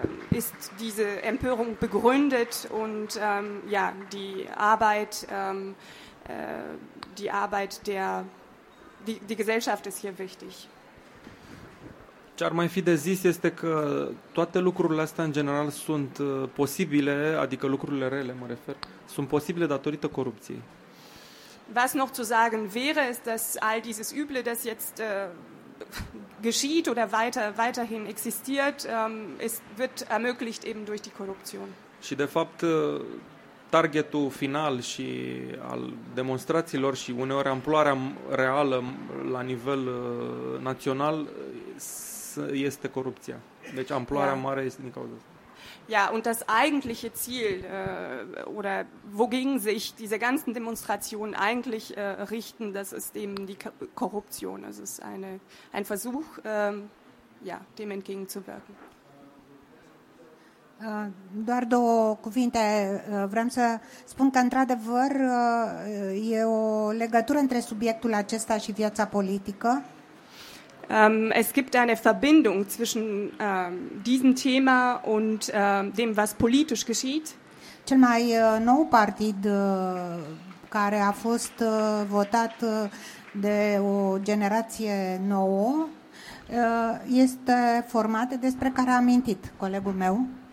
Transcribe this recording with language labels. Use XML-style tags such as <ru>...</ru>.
<de>ist diese Empörung begründet und ja, die Arbeit der die Gesellschaft ist hier wichtig.</de> <ro>Ce ar mai fi de zis este că toate lucrurile astea în general sunt posibile, adică lucrurile rele, mă refer, sunt posibile datorită corupției.</ro> <de>Was noch zu sagen wäre, ist, dass all dieses Üble, das jetzt geschieht oder weiterhin existiert, wird ermöglicht eben durch die Korruption.</de> <ro>Și de fapt targetul final și al demonstrațiilor și uneori amploarea reală la nivel național este corupția. Deci amploarea mare este din cauza asta.</ro> <de>Ja, und das eigentliche Ziel oder wogegen sich diese ganzen Demonstrationen eigentlich richten, das ist eben die Korruption. Es ist ein Versuch, dem entgegenzuwirken.</de> <ro>Doar două cuvinte. Vreau să spun că, într-adevăr, e o legătură între subiectul acesta și viața politică.</ro> <de>Es gibt eine Verbindung zwischen diesem Thema und dem, was politisch geschieht.</de> <ro>Cel mai nou partid care a fost votat de o generație nouă este format, despre care a amintit colegul meu.</ro>